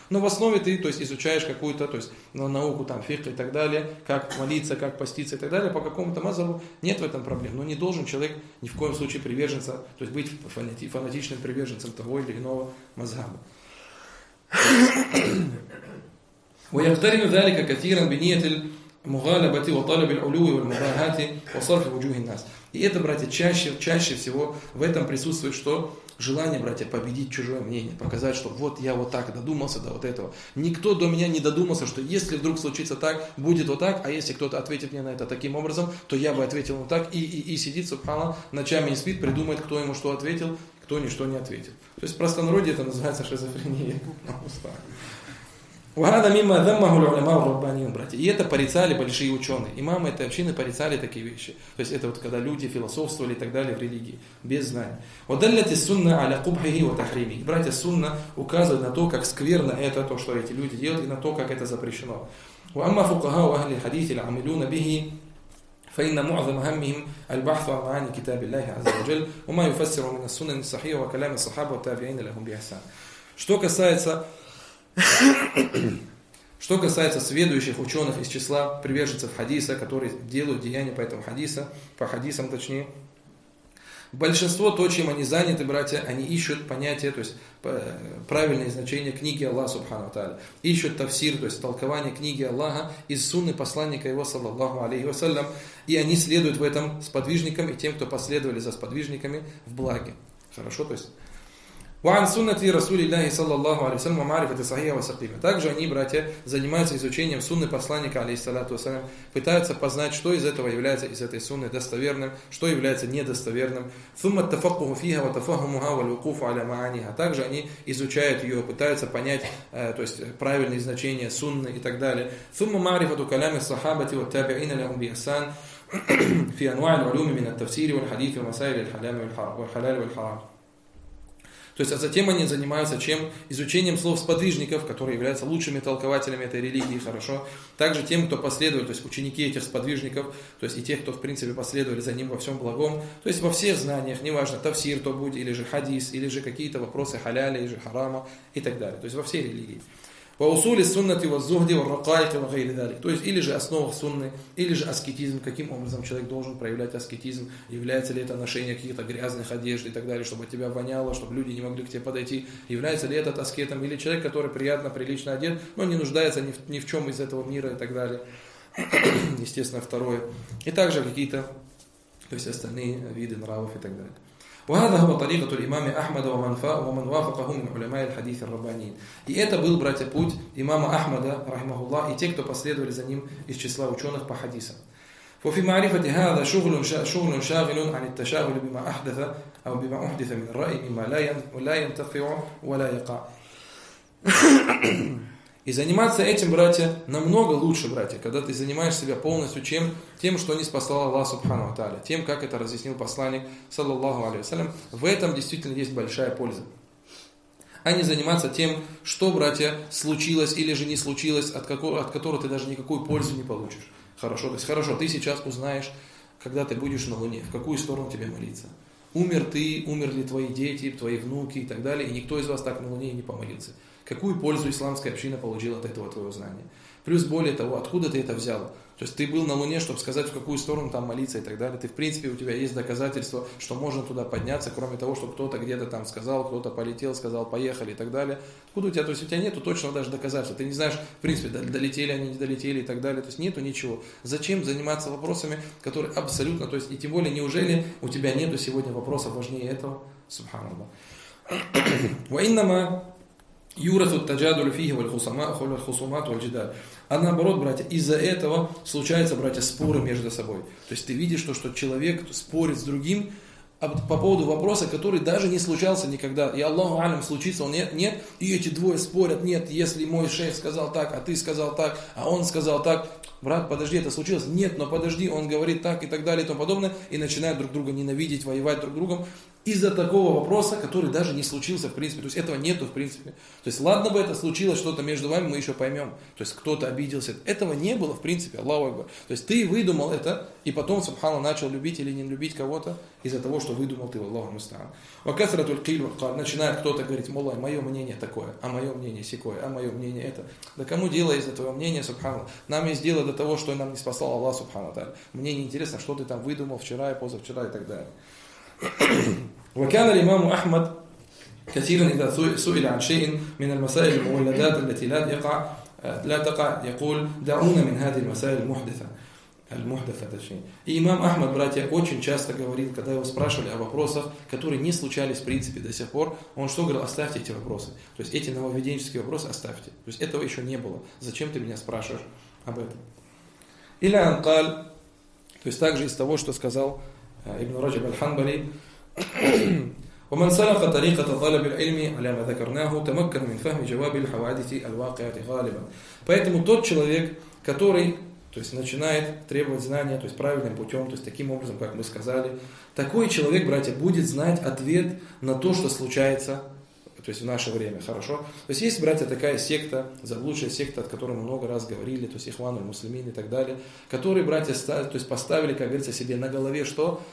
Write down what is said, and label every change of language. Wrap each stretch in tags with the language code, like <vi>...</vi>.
<ru>Но в основе ты, то есть, изучаешь какую-то, то есть науку, там, фикх и так далее, как молиться, как поститься и так далее, по какому-то мазхабу, нет в этом проблем. Но не должен человек ни в коем случае приверженца, то есть быть фанатичным приверженцем того или иного мазхаба.</ru> <ar>ويقترن ذلك كثيرا بنية المغالبة وطلب العلو والمباهاة وصرف وجوه الناس.</ar> <ru>И это, братья, чаще всего в этом присутствует что? Желание, братья, победить чужое мнение, показать, что вот я вот так додумался до вот этого. Никто до меня не додумался, что если вдруг случится так, будет вот так, а если кто-то ответит мне на это таким образом, то я бы ответил вот так. И сидит, субханаллах, ночами не спит, придумает, кто ему что ответил, кто ничто не ответил. То есть в простонародье это называется шизофрения.</ru> <ar>وهذا مما ذمه العلماء الربانيون</ar> <ru>братья. И это порицали большие ученые. Имамы этой общины порицали такие вещи. То есть это вот когда люди философствовали и так далее в религии без знаний.</ru> <ar>ودلت السنة على قبحه وتحريمه.</ar> <ru>Братья, сунна указывает на то, как скверно это то, что эти люди делают, и на то, как это запрещено.</ru> <ar>وأما فقهاء أهل الحديث العاملون به فإن معظم همهم البحث عن معاني كتاب الله عز وجل وما يفسر من السنة الصحيحة وكلام الصحابة والتابعين لهم بإحسان.</ar> <ru>Что касается что касается сведущих ученых из числа приверженцев хадиса, которые делают деяния по этому хадису, по хадисам точнее, большинство то, чем они заняты, братья, они ищут понятие, то есть правильное значение книги Аллаха Субхану Тааля, ищут тафсир, то есть толкование книги Аллаха из сунны посланника его, саллаллаху алейхи вассалям, и они следуют в этом сподвижникам и тем, кто последовали за сподвижниками в благе. Хорошо, то есть</ru> <ar>وعن سنة رسول الله صلى الله عليه وسلم معرفة صحيح وسقيم.</ar> <ru>Также они, братья, занимаются изучением сунны посланника, алейхиссалату вассалям, пытаются познать, что из этого является, из этой сунны, достоверным, что является недостоверным.</ru> <ar>ثم التفقه فيها وتفهمها والوقوف على معانيها.</ar> <ru>Также они изучают ее, пытаются понять, то есть правильные значения сунны и так далее.</ru> <ar>ثم معرفة كلام الصحابة والتابعين لهم بإحسان في أنواع العلوم من التفسير والحديث ومسائل الحلال والحرام.</ar> <ru>То есть, а затем они занимаются чем? Изучением слов сподвижников, которые являются лучшими толкователями этой религии, хорошо. Также тем, кто последует, то есть ученики этих сподвижников, то есть и тех, кто в принципе последовали за ним во всем благом. То есть во всех знаниях, неважно, тафсир то будет, или же хадис, или же какие-то вопросы халяля, или же харама и так далее. То есть во всей религии.</ru> <ar>По усули суннати воззухди воррокайки вагайли дали.</ar> <ru>То есть или же основа сунны, или же аскетизм. Каким образом человек должен проявлять аскетизм? Является ли это ношение каких-то грязных одежд и так далее, чтобы тебя воняло, чтобы люди не могли к тебе подойти? Является ли этот аскетом? Или человек, который приятно, прилично одет, но не нуждается ни в чем из этого мира и так далее. Естественно, второе. И также какие-то, то есть остальные виды нравов и так далее.</ru> <ar>وهذا هو طريقة الإمام أحمد ومن وافقه من علماء الحديث الربانيين.</ar> <ru>И это был, братья, путь имама Ахмада,</ru> <ar>رحمه الله,</ar> <ru>и те, кто последовали за ним из числа ученых по хадисам.</ru> <ar>وفي معرفة هذا شغل شاغل عن التشاغل بما أحدث أو بما أحدث من الرأي مما لا ينتفع ولا يقع.</ar> <ru>И заниматься этим, братья, намного лучше, братья, когда ты занимаешь себя полностью чем? Тем, что не спасал Аллах Субхану Аталя, тем, как это разъяснил посланник, саллаллаху алейхи салям. В этом действительно есть большая польза. А не заниматься тем, что, братья, случилось или же не случилось, от которого ты даже никакую пользу не получишь. Хорошо, то есть хорошо, ты сейчас узнаешь, когда ты будешь на Луне, в какую сторону тебе молиться. Умер ты, умерли твои дети, твои внуки и так далее, и никто из вас так на Луне не помолится. Какую пользу исламская община получила от этого твоего знания? Плюс более того, откуда ты это взял? То есть ты был на Луне, чтобы сказать, в какую сторону там молиться и так далее. Ты, в принципе, у тебя есть доказательства, что можно туда подняться, кроме того, что кто-то где-то там сказал, кто-то полетел, сказал, поехали и так далее. Откуда у тебя? То есть у тебя нету точно даже доказательств. Ты не знаешь, в принципе, долетели они, не долетели и так далее. То есть нету ничего. Зачем заниматься вопросами, которые абсолютно... То есть и тем более, неужели у тебя нету сегодня вопросов важнее этого? Субханаллах.</ru> <ar>يورث التجادل فيه والخصومات والجدال.</ar> <ru>А наоборот, братья, из-за этого случаются, братья, споры между собой. То есть ты видишь то, что человек спорит с другим по поводу вопроса, который даже не случался никогда. И Аллаху алям, случится он, нет, нет. И эти двое спорят, нет, если мой шейх сказал так, а ты сказал так, а он сказал так. Брат, подожди, это случилось? Нет, но подожди, он говорит так и так далее и тому подобное. И начинают друг друга ненавидеть, воевать друг с другом. Из-за такого вопроса, который даже не случился, в принципе. То есть этого нету, в принципе. То есть ладно бы это случилось, что-то между вами, мы еще поймем. То есть кто-то обиделся. Этого не было, в принципе, Аллаху Акбар. То есть ты выдумал это, и потом, субхана, начал любить или не любить кого-то из-за того, что выдумал ты, Аллаху Мустаан.</ru> <ar>Ва касрату аль-кильм,</ar> <ru>начинает кто-то говорить, молла, мое мнение такое, а мое мнение сякое, а мое мнение это. Да кому дело из-за твоего мнения, субхана? Нам есть дело до того, что нам не спасал Аллах, субхана. Да? Мне неинтересно, что ты там выдумал вчера и позавчера и так далее.</ru> <ar>وكان الإمام أحمد كثيرا إذا سئل عن شيء من المسائل المولدات التي لا تقع يقول دعونا من هذه المسائل المحدثة الشيء.</ar> <ru>إمام أحمد братья очень часто говорил, когда его спрашивали о вопросах, которые не случались в принципе до сих пор, он что говорил, оставьте эти вопросы, то есть эти нововведенческие вопросы оставьте, то есть этого еще не было, зачем ты меня спрашиваешь об этом.</ru> <ar>إلى أن قال,</ar> <ru>то есть также из того, что сказал</ru> <ar>ابن رجب الحنبلي ومن سلك طريقة طلب العلم على ما ذكرناه تمكن من فهم جواب الحوادث الواقعة غالبا.</ar> <ru>Поэтому тот человек, который, то есть начинает требовать знания, то есть правильным путем, то есть таким образом, как мы сказали, такой человек, братья, будет знать ответ на то, что случается, то есть в наше время, хорошо? То есть есть, братья, такая секта, заблудшая секта, о которой мы много раз говорили, то есть Ихвану, Муслимин и так далее, которые, братья, то есть поставили, как говорится, себе на голове, что?</ru>